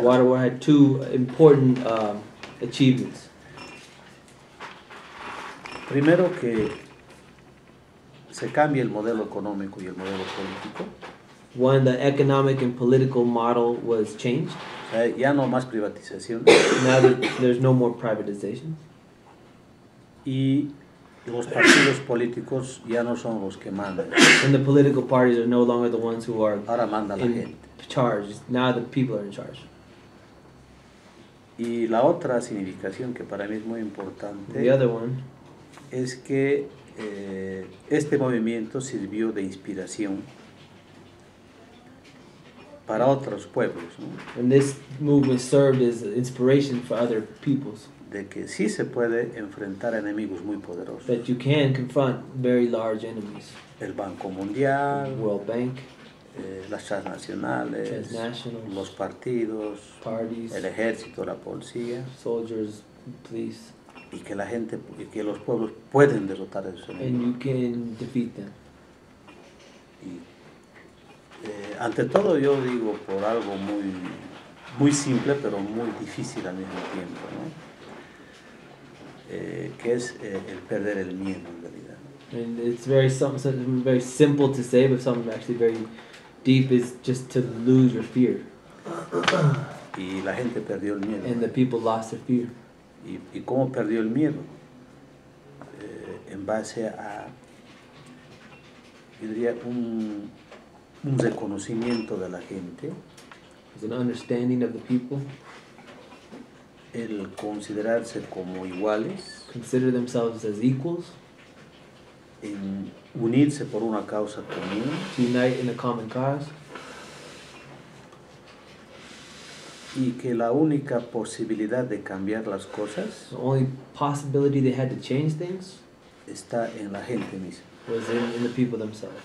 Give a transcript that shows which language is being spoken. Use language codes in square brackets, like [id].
[en] The water war had two important achievements. [es] Primero que se cambia el modelo económico y el modelo político. [en] One, the economic and political model was changed. [es] Ya no más privatización. [en] Now there's no more privatization. [es] Y los partidos políticos ya no son los que mandan. [en] And the political parties are no longer the ones who are. [es] Ahora manda la gente. [en] Charge. Now the people are in charge. [es] Y la otra significación que para mí es muy importante. [en] The other one [es] es que este movimiento sirvió de inspiración para otros pueblos. ¿No? [en] And this movement served as inspiration for other peoples. [es] De que sí se puede enfrentar enemigos muy poderosos. [en] That you can confront very large enemies. [es] El Banco Mundial. [en] World Bank. [es] Las transnacionales, los partidos, [en] parties, [es] el ejército, la policía, [en] soldiers, police, [es] y que la gente y que los pueblos pueden derrotar a esos enemigos. [en] And you can defeat them. [es] Y, ante todo yo digo por algo muy, muy simple pero muy difícil al mismo tiempo, ¿no? Que es el perder el miedo en realidad. [en] And it's very simple to say, but something actually very deep is just to lose your fear. [es] Y la gente perdió el miedo. [en] And the people lost their fear. [es] ¿Y cómo perdió el miedo? En base a, yo diría, un reconocimiento de la gente. [en] It's an understanding of the people. [es] El considerarse como iguales. [en] Consider themselves as equals. [es] En unirse por una causa común. [en] To unite in a common cause. [es] Y que la única posibilidad de cambiar las cosas. [en] The only possibility they had to change things. [es] Está en la gente misma. [en] Was in the people themselves.